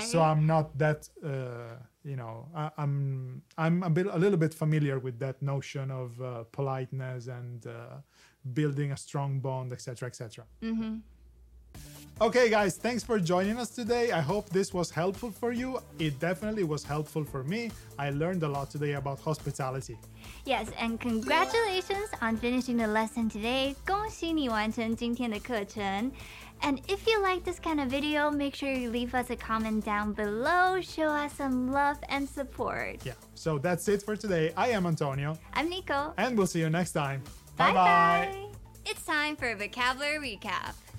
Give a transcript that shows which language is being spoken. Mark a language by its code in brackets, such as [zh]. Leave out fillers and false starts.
[en] So I'm not that, you know, I'm a little bit familiar with that notion of politeness and building a strong bond, etc., etc. Okay, guys, thanks for joining us today. I hope this was helpful for you. It definitely was helpful for me. I learned a lot today about hospitality. Yes, and congratulations on finishing the lesson today. [zh] 恭喜你完成今天的课程. [en] And if you like this kind of video, make sure you leave us a comment down below. Show us some love and support. Yeah, so that's it for today. I am Antonio. I'm Nico. And we'll see you next time. Bye-bye. It's time for a vocabulary recap.